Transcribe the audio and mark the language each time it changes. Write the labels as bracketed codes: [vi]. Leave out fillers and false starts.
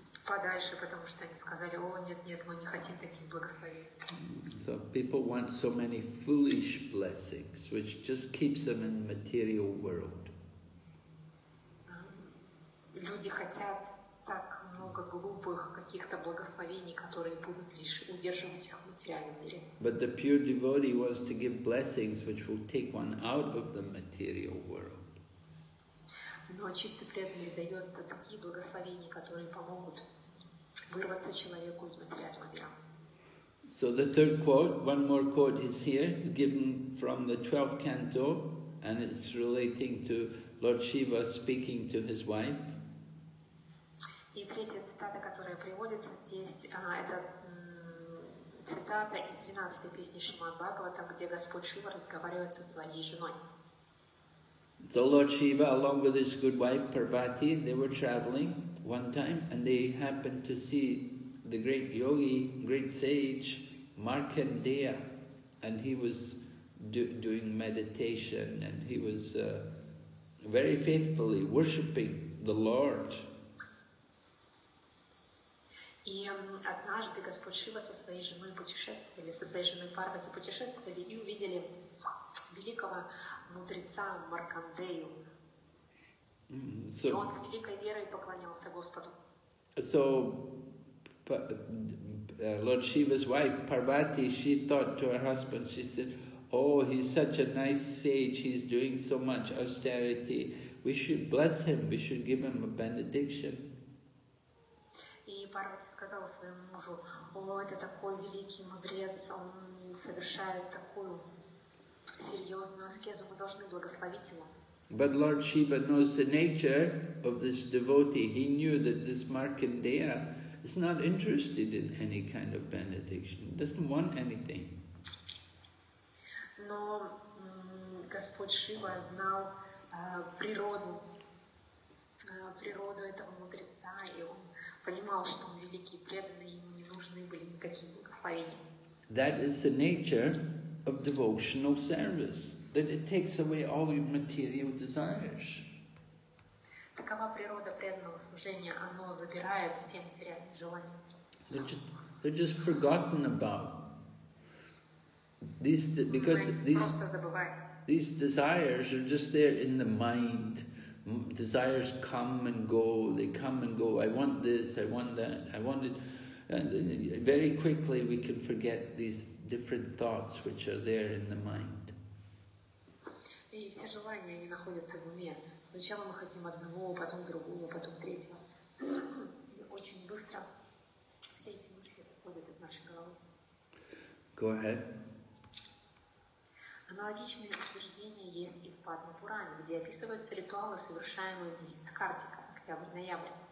[ru] подальше, потому что они сказали: «О, нет, нет, мы не хотим таких благословений». [en] So people want so many foolish blessings, which just keeps them in the material world. [ru] Люди хотят так много глупых каких-то благословений, которые будут лишь удерживать их в материальном мире. [en] But the pure devotee wants to give blessings which will take one out of the material world. [ru] Но чистый преданный дает такие благословения, которые помогут вырваться человеку из материального мира. [en] So the third quote, one more quote is here, given from the 12th canto, and it's relating to Lord Shiva speaking to his wife. [ru] И третья цитата, которая приводится здесь, это цитата из 12-й песни Шримад Бхагаватам, где Господь Шива разговаривает со своей женой. [en] So Lord Shiva, along with his good wife Parvati, they were traveling one time, and they happened to see the great yogi, great sage, Markandeya, and he was doing meditation, and he was very faithfully worshipping the Lord. [ru] И однажды Господь Шива со своей женой путешествовали, со своей женой Парвати путешествовали и увидели великого мудреца Маркандею. И он с великой верой поклонялся Господу. [en] So, Lord Shiva's wife Parvati, she thought to her husband, she said, "Oh, he's such a nice sage, he's doing so much austerity. We should bless him, we should give him a benediction." [ru] И Парвати сказала своему мужу: "О, это такой великий мудрец, он совершает такую серьезную аскезу, мы должны благословить его." [en] But Lord Shiva knows the nature of this devotee. He knew that this Markandeya is not interested in any kind of benediction, doesn't want anything. [ru] Но Господь Шива знал природу этого мудреца, и он понимал, что он великий преданный, ему не нужны были никакие благословения. [en] That is the nature of devotional service, that it takes away all your material desires. [ru] Такова природа преданного служения, оно забирает все материальные желания. [en] They're just forgotten about. These desires are just there in the mind. Desires come and go, they come and go. I want this, I want that, I want it. And very quickly we can forget these different thoughts which are there in the mind. [ru] И все желания, они находятся в уме. Сначала мы хотим одного, потом другого, потом третьего. И очень быстро все эти мысли уходят из нашей головы. [en] Go ahead. [ru] Аналогичные утверждения есть и в Падмапуране, где описываются ритуалы, совершаемые в месяц Картика, октябрь-ноябрь.